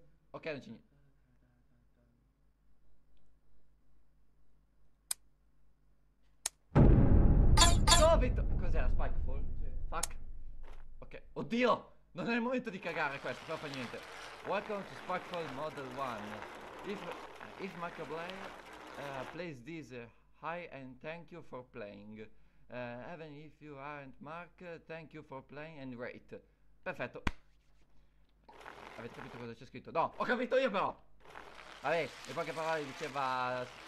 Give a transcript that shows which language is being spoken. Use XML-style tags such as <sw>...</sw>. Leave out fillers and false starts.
<it>Ok, non c'è niente. Cos'era? Spike Fall? Fuck. Ok, oddio! Non è il momento di cagare questo, però fa niente.</it> <en>Welcome to Spike Fall Model 1. If Macablay plays this, hi and thank you for playing. Even if you aren't Mark, thank you for playing and rate.</en> <it>Perfetto. Avete capito cosa c'è scritto? No, ho capito io però! Vabbè, in poche parole diceva.</it>